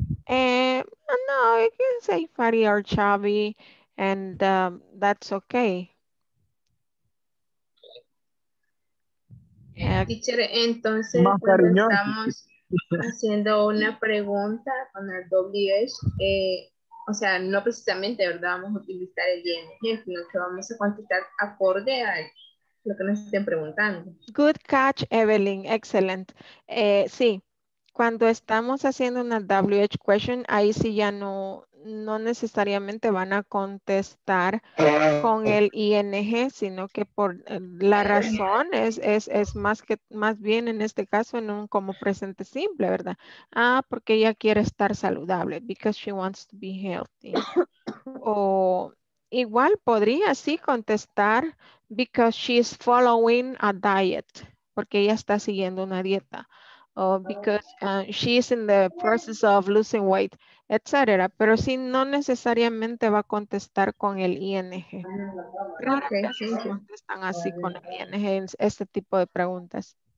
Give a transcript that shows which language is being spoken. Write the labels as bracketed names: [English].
[English] No, you can say fatty or chubby, and that's okay. [Spanish] Teacher, entonces, cuando estamos haciendo una pregunta con el WH, o sea, no precisamente, ¿verdad? Vamos a utilizar el ING, sino que vamos a contestar acorde a lo que nos estén preguntando. [English] Good catch, Evelyn. Excellent. [Spanish] Sí. Cuando estamos haciendo una WH question, ahí sí ya no necesariamente van a contestar con el ING, sino que por la razón es más bien en este caso en un como presente simple, ¿verdad? Ah, porque ella quiere estar saludable, [English] because she wants to be healthy. [Spanish] O igual podría sí contestar [English] because she is following a diet, [Spanish] porque ella está siguiendo una dieta. [English] Oh, because she is in the process of losing weight, etc. [Spanish] Pero sí, no necesariamente va a contestar con el ING. [English] Okay, [Spanish] contestan así con el ING en este tipo de preguntas.